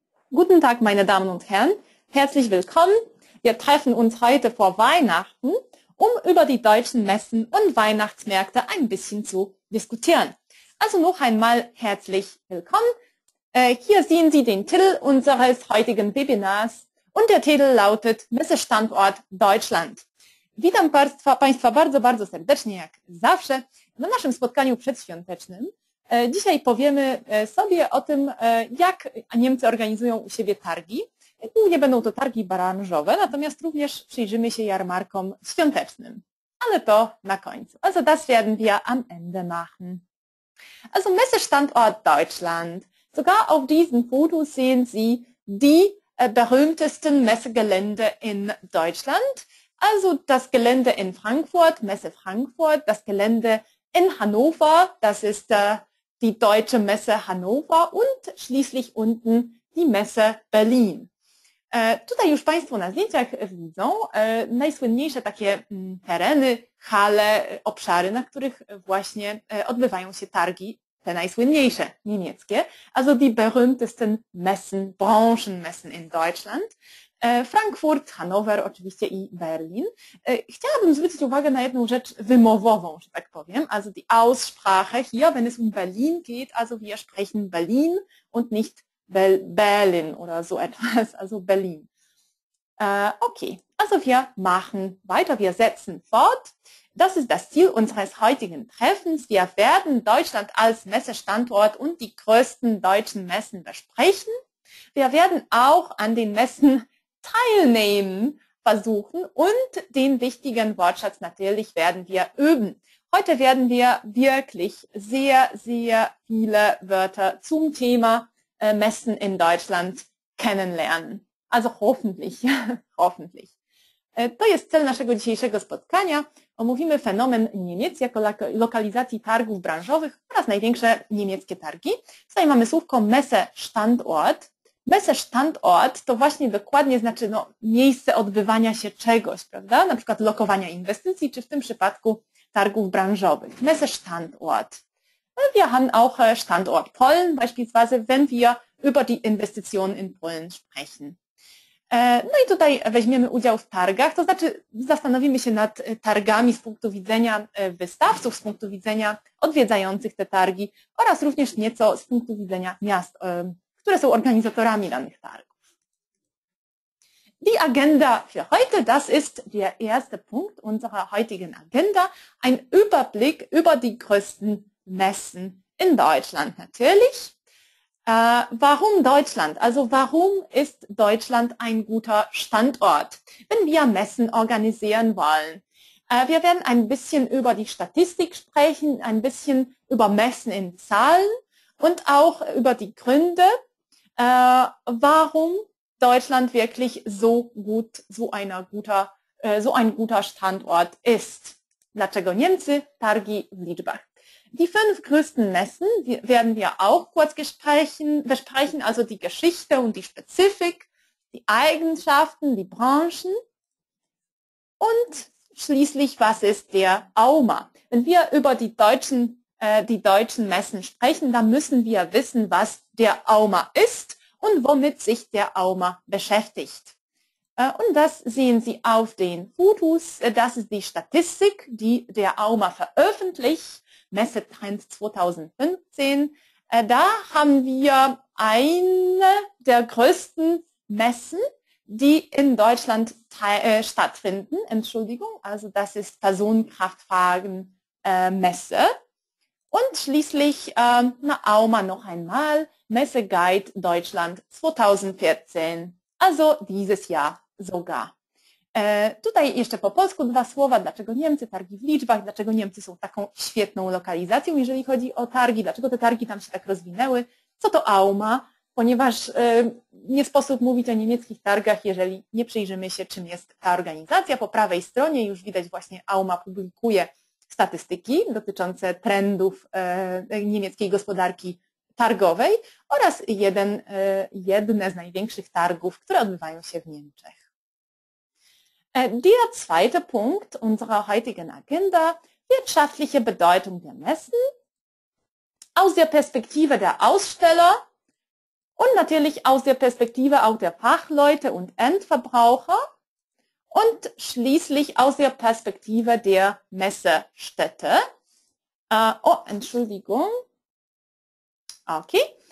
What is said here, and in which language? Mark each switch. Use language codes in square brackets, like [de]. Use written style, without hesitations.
[de] Guten Tag, meine Damen und Herren. Herzlich willkommen. Wir treffen uns heute vor Weihnachten, um über die deutschen Messen und Weihnachtsmärkte ein bisschen zu diskutieren. Also noch einmal herzlich willkommen. Hier sehen Sie den Titel unseres heutigen Webinars und der Titel lautet Messestandort Deutschland. [pl] Witam Państwa bardzo, bardzo serdecznie, jak zawsze, na naszym spotkaniu przedświątecznym. Dzisiaj powiemy sobie o tym, jak Niemcy organizują u siebie targi. Głównie będą to targi branżowe, natomiast również przyjrzymy się jarmarkom świątecznym. Ale to na końcu. [de] Also das werden wir am Ende machen. Also Messestandort Deutschland. Sogar auf diesem Foto sehen Sie die berühmtesten Messegelände in Deutschland. Also das Gelände in Frankfurt, Messe Frankfurt, das Gelände in Hannover, das ist die Deutsche Messe Hannover und schließlich unten die Messe Berlin. [pl] Tutaj już Państwo na zdjęciach widzą najsłynniejsze takie tereny, hale, obszary, na których właśnie odbywają się targi, te najsłynniejsze niemieckie. [de] Also die berühmtesten Messen, Branchenmessen in Deutschland. [pl] Frankfurt, Hanower oczywiście i Berlin. Chciałabym zwrócić uwagę na jedną rzecz wymowową, że tak powiem. [de] Also die Aussprache hier, wenn es um Berlin geht, also wir sprechen Berlin und nicht Berlin oder so etwas, also Berlin. Okay, also wir machen weiter, wir setzen fort. Das ist das Ziel unseres heutigen Treffens. Wir werden Deutschland als Messestandort und die größten deutschen Messen besprechen. Wir werden auch an den Messen teilnehmen versuchen und den wichtigen Wortschatz natürlich werden wir üben. Heute werden wir wirklich sehr, sehr viele Wörter zum Thema Messen in Deutschland kennenlernen. Also hoffentlich, hoffentlich. [pl] To jest cel naszego dzisiejszego spotkania. Omówimy fenomen Niemiec jako lokalizacji targów branżowych oraz największe niemieckie targi. Tutaj mamy słówko Messe Standort. Messe Standort to właśnie dokładnie znaczy no, miejsce odbywania się czegoś, prawda? Na przykład lokowania inwestycji, czy w tym przypadku targów branżowych. [de] Messe Standort. Wir haben auch Standort Polen beispielsweise, wenn wir über die Investitionen in Polen sprechen. [pl] No i tutaj weźmiemy udział w targach, to znaczy zastanowimy się nad targami z punktu widzenia wystawców, z punktu widzenia odwiedzających te targi oraz również nieco z punktu widzenia miast, które są organizatorami danych targów. [de] Die Agenda für heute, das ist der erste Punkt unserer heutigen Agenda, ein Überblick über die größten Messen in Deutschland natürlich. Warum Deutschland? Also warum ist Deutschland ein guter Standort, wenn wir Messen organisieren wollen? Wir werden ein bisschen über die Statistik sprechen, ein bisschen über Messen in Zahlen und auch über die Gründe, warum Deutschland wirklich so gut, so ein guter Standort ist. [pl] Dlaczego Niemcy, Targi w liczbach. [de] Die fünf größten Messen werden wir auch kurz besprechen, also die Geschichte und die Spezifik, die Eigenschaften, die Branchen und schließlich, was ist der AUMA? Wenn wir über die deutschen Messen sprechen, dann müssen wir wissen, was der AUMA ist und womit sich der AUMA beschäftigt. Und das sehen Sie auf den Fotos. Das ist die Statistik, die der AUMA veröffentlicht. Messetrend 2015, da haben wir eine der größten Messen, die in Deutschland stattfinden. Entschuldigung, also das ist Personenkraftwagen-Messe. Und schließlich, na AUMA noch einmal, Messeguide Deutschland 2014, also dieses Jahr sogar. [pl] Tutaj jeszcze po polsku dwa słowa, dlaczego Niemcy, targi w liczbach, dlaczego Niemcy są taką świetną lokalizacją, jeżeli chodzi o targi, dlaczego te targi tam się tak rozwinęły, co to AUMA, ponieważ nie sposób mówić o niemieckich targach, jeżeli nie przyjrzymy się, czym jest ta organizacja. Po prawej stronie już widać właśnie AUMA publikuje statystyki dotyczące trendów niemieckiej gospodarki targowej oraz jedne z największych targów, które odbywają się w Niemczech. [de] Der zweite Punkt unserer heutigen Agenda, wirtschaftliche Bedeutung der Messen aus der Perspektive der Aussteller und natürlich aus der Perspektive auch der Fachleute und Endverbraucher und schließlich aus der Perspektive der Messestätte. Entschuldigung. Okay.